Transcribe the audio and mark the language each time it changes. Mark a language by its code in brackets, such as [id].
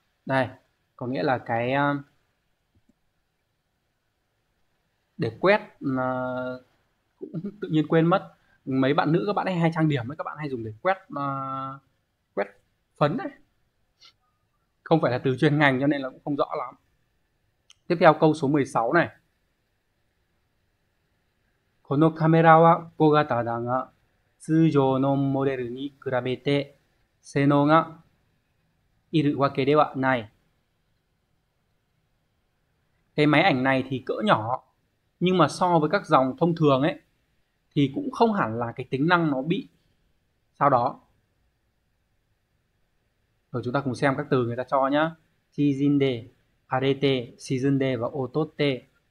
[vi] Đây, có nghĩa là cái để quét, cũng tự nhiên quên mất. Mấy bạn nữ các bạn hay trang điểm ấy, các bạn hay dùng để quét phấn đấy. Không phải là từ chuyên ngành cho nên là cũng không rõ lắm. Tiếp theo câu số 16 này. [ja] この camera は小型だが通常のモデルに比べて性能がいるわけではない。 [vi] Cái máy ảnh này thì cỡ nhỏ, nhưng mà so với các dòng thông thường ấy thì cũng không hẳn là cái tính năng nó bị sao đó. Rồi chúng ta cùng xem các từ người ta cho nhá. Chizinde, arete, sizinde và otote.